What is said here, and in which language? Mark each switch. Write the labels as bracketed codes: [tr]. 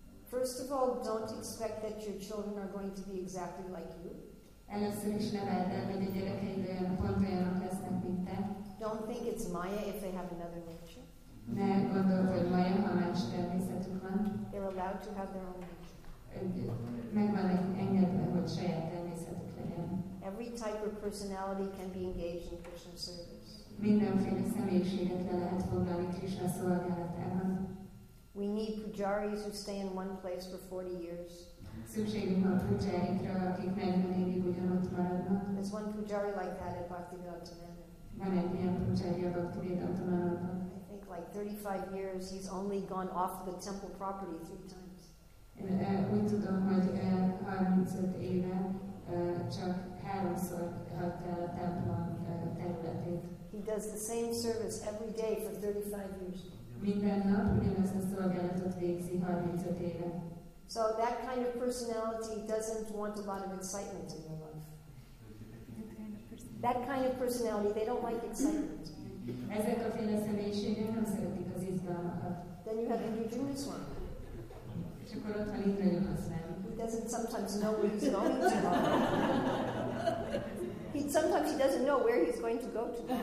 [en] First of all, don't expect that your children are going to be exactly like you. [hu] Először is ne várd el, hogy a gyerekeid olyan pont olyanok lesznek, mint te. [en] Don't think it's Maya if they have another nature. [hu] Ne gondold, hogy Maya, ha más természetük van. [en] They're allowed to have their own nature. [hu] Megvan engedve, hogy saját természetük legyen. [en] Every type of personality can be engaged in Krishna service. [hu] Mindenféle személyiséget le lehet foglalni Krishna szolgálatában. [en] We need pujaris who stay in one place for 40 years. [hu] Szükségünk van pujárikra, akik 40 évig ugyanott maradnak. [en] There's one pujari like that at Bhaktivedanta Nandan. [hu] Van egy ilyen pujari a Bhaktivedanta Nandan. [en] I think like 35 years he's only gone off the temple property 3 times. [hu] Úgy tudom, hogy 35 éve csak háromszor hagyta el a templom területét. [en] He does the same service every day for 35 years. [hu] Minden nap ugyanazt a szolgálatot végzi 35 éve. [en] So that kind of personality doesn't want a lot of excitement in your life. That kind of personality, they don't like excitement. [hu] Ezek a féle személyiségek nem szeretik az izgalmakat. [en] Then you have the Indrajulis one. [hu] És akkor ott van Indrajulis. [en] He doesn't sometimes know where he's going to. Sometimes he doesn't know where he's going to go to.